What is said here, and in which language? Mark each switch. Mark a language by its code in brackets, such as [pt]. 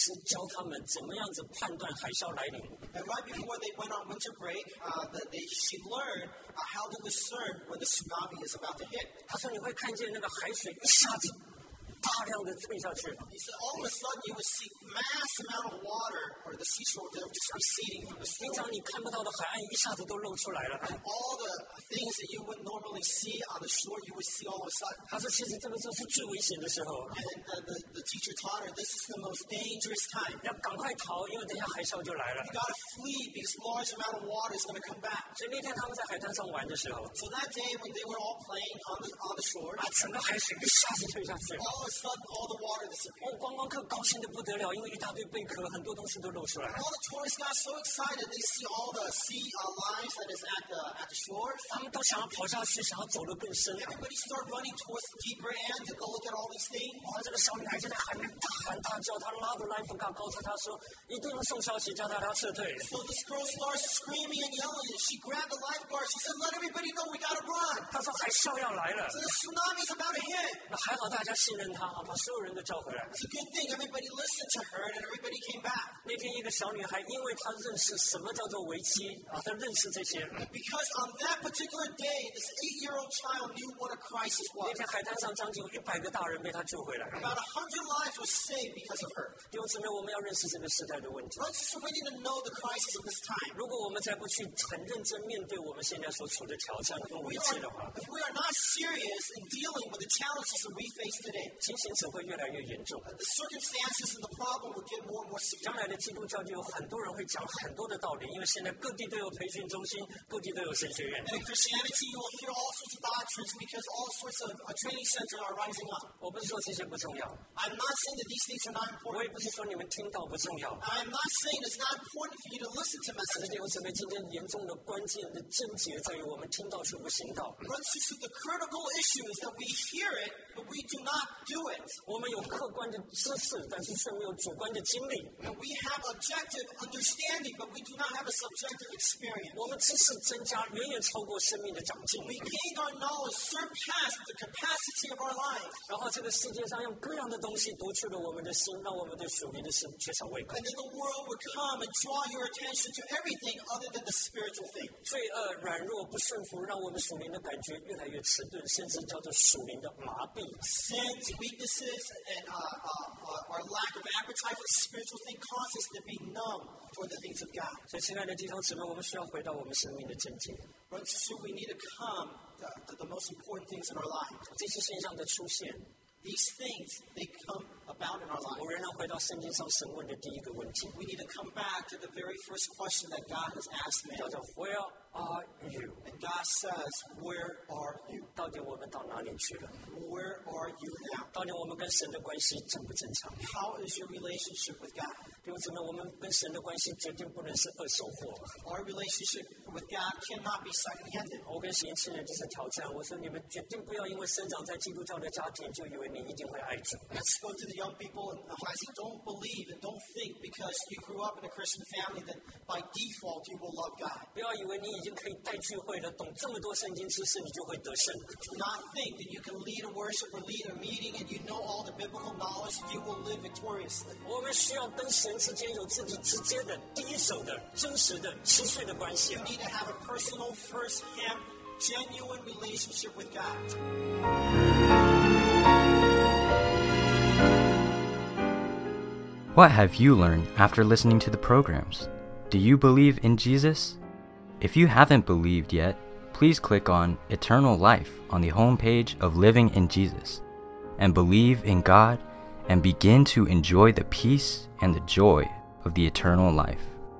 [zh] 她放暑假，或者她放寒假来度假之前，正好老师教他们怎么样子判断海啸来临。 [en] And right before they went on winter break, she learned how to discern when the tsunami is about to hit. [zh] 她说你会看见那个海水一下子大量的退下去。 [en] He said all of a sudden you would see mass amount of water or the seashore that was just receding from the storm. [zh] 平常你看不到的海岸一下子都露出来了。 [en] All the things that you wouldn't normally see on the shore, you would see all of a sudden. [zh] 他说其实这个时候是最危险的时候。 [en] And the teacher taught her, this is the most dangerous time. [zh] 要赶快逃，因为等下海啸就来了。 [en] You gotta flee because large amount of water is gonna come back. [zh] 所以那天他们在海滩上玩的时候。 [en] So that day when they were all playing on the shore, [zh] 整个海水一下子退下去了。 [en] All of a sudden, all the water disappeared. [zh] 观光客高兴得不得了，因为一大堆贝壳，很多东西都露出来。 [en] All the tourists got so excited, they see all the sea lions that is at the shore. [zh] 他们都想要跑下去，想要走得更深。 [en] Everybody start running towards the deeper end to go look at all these things. [zh] 哇，这个小女孩在那喊大喊大叫，她拉着lifeguard告诉她说，一定要送消息，叫她撤退。 [en] So this girl starts screaming and yelling, and she grabbed the lifeguard. She said, "Let everybody know, we gotta run." [zh] 她说海啸要来了。 [en] So the tsunami is about to hit. [zh] 那还好大家信任她，把所有人都叫回来。 [en] It's a good thing everybody listened to her and everybody came back. [zh] 那天一个小女孩，因为她认识什么叫做危机，她认识这些。 [en] Because on that particular day, this 8-year-old child knew what a crisis was. [zh] 那天海滩上将近100个大人被她救回来。 [en] About 100 lives were saved because of her. [zh] 弟兄姊妹，我们要认识这个时代的问题。 [en] But so we need to know the crisis of this time. [zh] 如果我们再不去很认真面对我们现在所处的挑战跟危机的话。 [en] If we are not serious in dealing with the challenges that we face today, [zh] 情形只会越来越严重。 [en] The circumstances and the problem will get more and more severe. [zh] 将来的基督教就有很多人会讲很多的道理，因为现在各地都有培训中心，各地都有神学院。 [en] And in Christianity, you will hear all sorts of doctrines because all sorts of training centers are rising up. [zh] 我不是说这些不重要。 [en] I'm not saying that these things are not important. [zh] 我也不是说你们听到不重要。 [en] I'm not saying it's not important for you to listen to messages. [zh] 但是弟兄姊妹，今天严重的关键的症结在于我们听到却不行道。 [en] The critical issue is that we hear it, but we do not do it. [zh] 我们有客观的知识，但是却没有主观的经历。 [en] And we have objective understanding, but we do not have a subjective experience. [zh] 我们知识增加远远超过生命的长进。 [en] We gain our knowledge surpassed the capacity of our lives. [zh] 然后这个世界上用各样的东西夺去了我们的心，让我们对属灵的事缺少胃口。 [en] And then the world would come and draw your attention to everything other than the spiritual thing. [zh] 罪恶、软弱、不顺服，让我们属灵的感觉越来越迟钝，甚至叫做属灵的麻痹。 [en] Sin's weaknesses and our lack of appetite for spiritual things causes to be numb for the things of God. [zh] 所以，亲爱的弟兄姊妹，我们需要回到我们生命的正经。 [en] Brothers, we need to come to the most important things in our life. [zh] 这些现象的出现。 [en] These things, they come about in our lives. [zh] 我仍然回到圣经上神问的第一个问题。 [en] We need to come back to the very first question that God has asked man. [zh] 叫做 [en] Where are you? And God says, Where are you? [zh] 到底我们到哪里去了？ [en] Where are you now? [zh] 到底我们跟神的关系正不正常？ [en] How is your relationship with God? [zh] 弟兄姊妹，我们跟神的关系绝对不能是二手货。 [en] Our relationship with God cannot be second-handed. [zh] 我跟年轻人就是挑战，我说你们绝对不要因为生长在基督教的家庭，就以为你一定会爱主。 [en] Let's go to the young people and I say, don't believe and don't think because you grew up in a Christian family that by default you will love God. [zh] 不要以为你已经可以带聚会了，懂这么多圣经知识，你就会得胜。 [en] Do not think that you can lead a worship or lead a meeting and you know all the biblical knowledge and you will live victoriously. [zh] 我们需要跟神之间有自己直接的、第一手的、真实的、持续的关系。 [en] You need to have a personal, first-hand, genuine relationship with God. What have you learned after listening to the programs? Do you believe in Jesus? If you haven't believed yet, please click on Eternal Life on the homepage of Living in Jesus and believe in God and begin to enjoy the peace and the joy of the eternal life.